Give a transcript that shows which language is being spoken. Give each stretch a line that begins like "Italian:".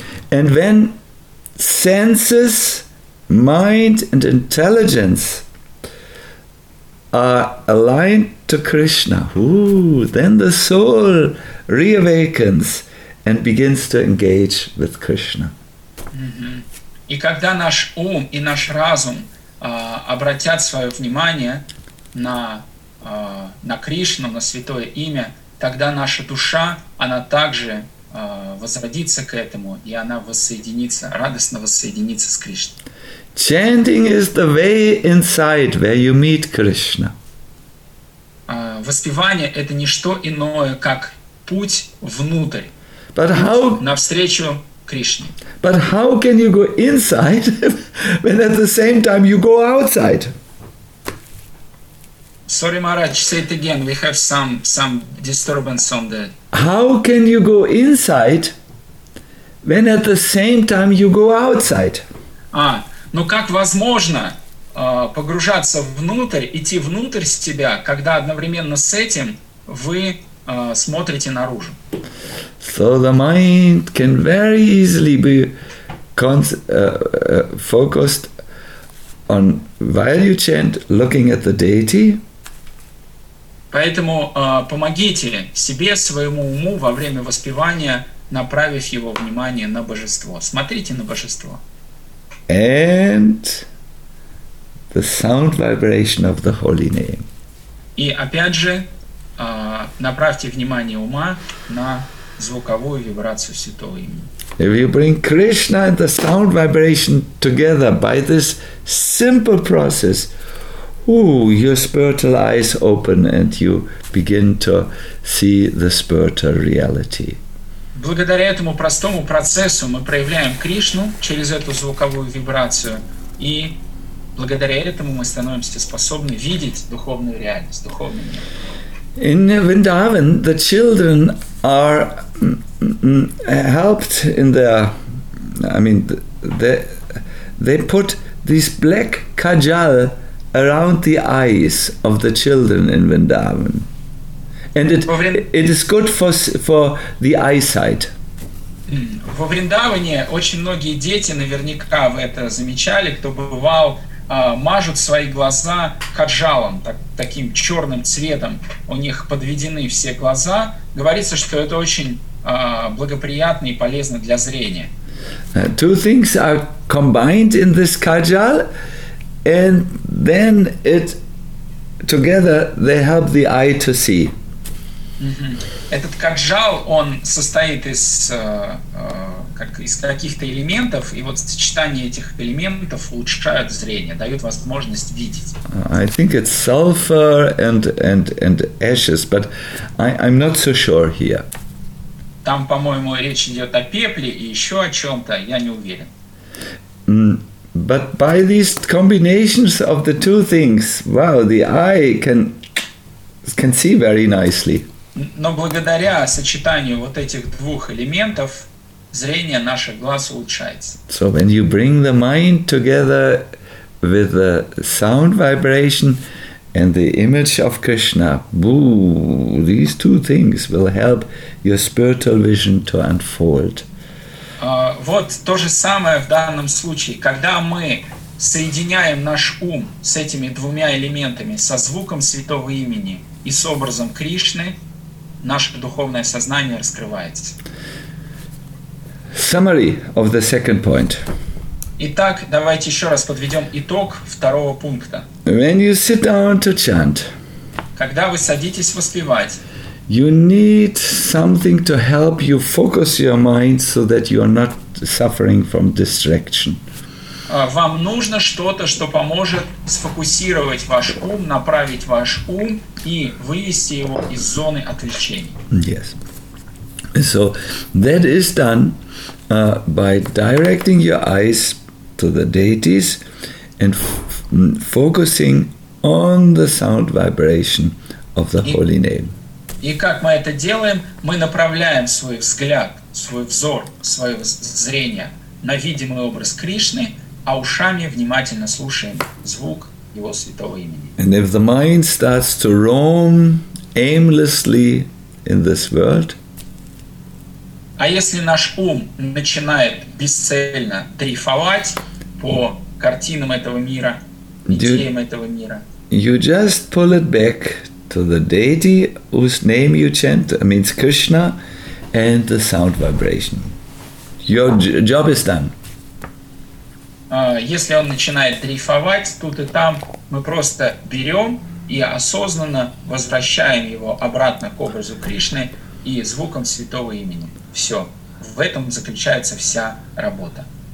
English: And when senses, mind and intelligence are aligned to Krishna, then the soul reawakens and begins to engage with Krishna.
Russian: И когда наш ум и наш разум обратят свое внимание на Кришну, на святое имя, тогда наша душа, она также возродится к этому, и она воссоединится, радостно воссоединится с Кришной.
English: Chanting is the way inside where you meet Krishna.
Russian: Воспевание — это не что иное, как путь внутрь.
English: But how,
Russian: навстречу Кришне.
English: But how can you go inside when at the same time you go outside? Sorry, Maharaj, say it again. We have some disturbance on the... How can you go inside when at the same time you go outside?
Russian: Ну как возможно погружаться внутрь, идти внутрь себя, когда одновременно с этим вы смотрите наружу?
English: So the mind can very easily be focused on while you chant, looking at the deity.
Russian: Поэтому помогите себе, своему уму во время воспевания, направив его внимание на божество. Смотрите на божество.
English: And the sound vibration of the holy name.
Russian: И опять же, направьте внимание ума на звуковую вибрацию святого имени.
English: If you bring Krishna and the sound vibration together by this simple process, your spiritual eyes open and you begin to see the spiritual reality.
Russian: Благодаря этому простому процессу мы проявляем Кришну через эту звуковую вибрацию, и благодаря этому мы становимся способны видеть духовную реальность, духовный мир.
English: In Vrindavan, the children are helped in their, I mean, they put this black kajal around the eyes of the children in Vrindavan. And it is good for the eyesight.
Russian: Во Вриндаване очень многие дети, наверняка вы это замечали, кто бывал, мажут свои глаза каджалом, таким черным цветом. У них подведены все глаза. Говорится, что это очень благоприятно и полезно для зрения.
English: Two things are combined in this kajal, and then it together they help the eye to see.
Russian: Этот каджал, он состоит из каких-то элементов, и вот сочетание этих элементов улучшает зрение, дает возможность видеть.
English: I think it's sulfur and ashes, but I'm not so sure here.
Russian: Там, по-моему, речь идет о пепле и еще о чем-то, я не уверен.
English: But by these combinations of the two things, wow, the eye can see very nicely.
Russian: Но благодаря сочетанию вот этих двух элементов зрение наших глаз улучшается.
English: So when you bring the mind together with the sound vibration and the image of Krishna, these two things will help your spiritual vision to unfold.
Russian: Вот то же самое в данном случае. Когда мы соединяем наш ум с этими двумя элементами, со звуком святого имени и с образом Кришны, наше духовное сознание раскрывается.
English: Summary of the second point.
Russian: Итак, давайте еще раз подведем итог второго пункта.
English: When you sit down to chant,
Russian: когда вы садитесь воспевать,
English: you need something to help you focus your mind so that you are not suffering from distraction.
Russian: Вам нужно что-то, что поможет сфокусировать ваш ум, направить ваш ум и вывести его из зоны отвлечений.
English: Yes. So that is done by directing your eyes to the deities and focusing on the sound vibration of the holy name.
Russian: И как мы это делаем? Мы направляем свой взгляд свой взор, свое зрение на видимый образ Кришны, а ушами внимательно слушаем звук Его святого имени.
English: And if the mind starts to roam aimlessly in this world,
Russian: а если наш ум начинает бесцельно дрейфовать по картинам этого мира, идеям этого мира,
English: you just pull it back to the deity whose name you chant, means Krishna, and the sound vibration. Your job is done.
Russian: Если он начинает дрейфовать тут и там, мы просто берем и осознанно возвращаем его обратно к образу Кришны и звукам святого имени. Все. В этом заключается вся работа.